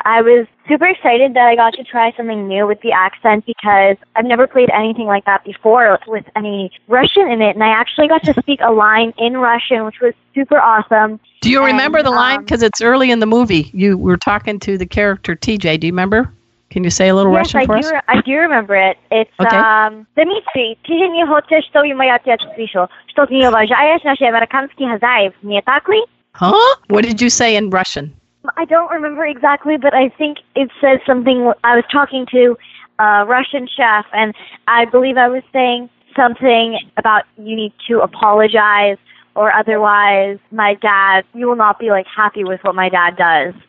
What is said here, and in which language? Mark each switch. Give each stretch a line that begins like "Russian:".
English: I was super excited that I got to try something new with the accent because I've never played anything like that before with any Russian in it. And I actually got to speak a line in Russian, which was super awesome. Do you remember the line? Because it's early in the movie. You were talking to the character TJ. Do you remember? Can you say a little Russian for us? Yes, I do remember it.
Russian: It's, Dmitry, ты же не хочешь, чтобы мой отец слышал, что ты не уважаешь наши американские хозяев, не так ли?
English: Huh? What did you say in Russian? I don't remember exactly, but I think it says something. I was talking to a Russian chef, and I believe I was saying something about you need to apologize, or otherwise my dad, you will not be, like, happy with what my dad does.